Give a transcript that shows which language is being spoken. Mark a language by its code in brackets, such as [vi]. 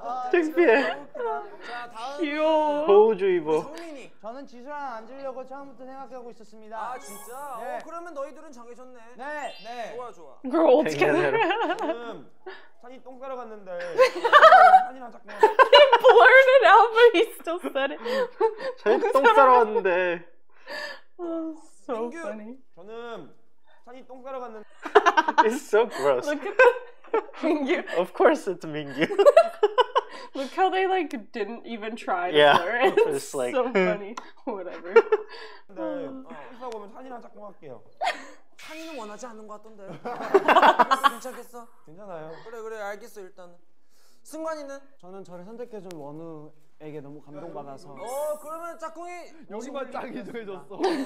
[ko] 창피해. 귀여워. 보호주의보. 성민이. 저는 지수랑 앉으려고 처음부터 생각하고 있었습니다. 아 진짜? 네. 어, 그러면 너희들은 정해졌네. 네. 네. 좋아 좋아. [en] Girl, together. [ko] 지금 찬이 똥 깔아 갔는데. 찬이랑 잠깐. [en] He blurred it out, but he still said it. [ko] 찬이 똥 깔아 갔는데. [en] So funny. [ko] 저는 찬이 똥 깔아 갔는데. [en] It's so gross. Look at the Mingyu. Of course, it's Mingyu. Look how they like didn't even try to blur it. It's like so funny. Whatever. [ko] 네, 회사 가면 찬이랑 짝꿍할게요. 찬이는 원하지 않는 것 같던데. 괜찮겠어? 괜찮아요. 그래 그래 알겠어 일단. 승관이는? 저는 저를 선택해 준 원우에게 너무 감동받아서. 어 그러면 짝꿍이 여기만 짝이 정해졌어.